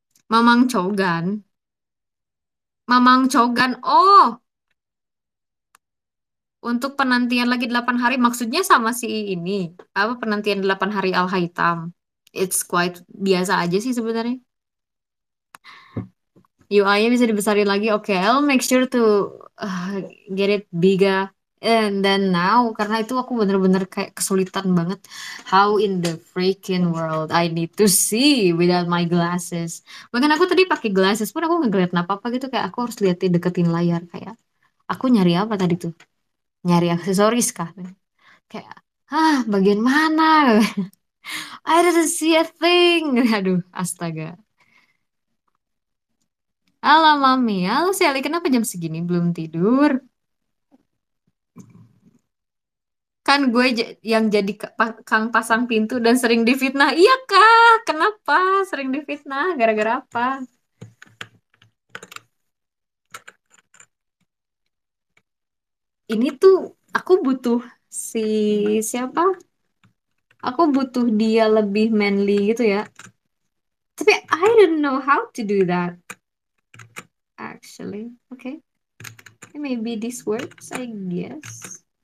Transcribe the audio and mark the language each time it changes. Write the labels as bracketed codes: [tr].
[id] Mamang Cogan. Mamang Cogan. Oh! Untuk penantian lagi 8 hari, maksudnya sama si ini. Apa penantian 8 hari Al-Haitam? [en] It's quite [id] biasa aja sih sebenarnya. UI-nya bisa dibesarin lagi. [en] Okay, I'll make sure to get it bigger. And then now, [id] karena itu aku bener-bener kayak kesulitan banget. [en] How in the freaking world I need to see without my glasses. [id] Bahkan aku tadi pakai glasses pun aku ngeliat apa-apa gitu. Kayak aku harus liatin deketin layar. Kayak aku nyari apa tadi tuh? Nyari aksesoris kah? Kayak, ah, bagian mana? [en] I didn't see a thing. [id] Aduh, astaga. Halo, Mami. Halo, Sally. Kenapa jam segini belum tidur? Kan gue yang jadi kang pasang pintu dan sering difitnah. Iya, Kak. Kenapa sering difitnah? Gara-gara apa? Ini tuh aku butuh si siapa? Aku butuh dia lebih manly gitu ya. [en] Tapi I don't know how to do that. Actually, okay. Maybe this works, I guess.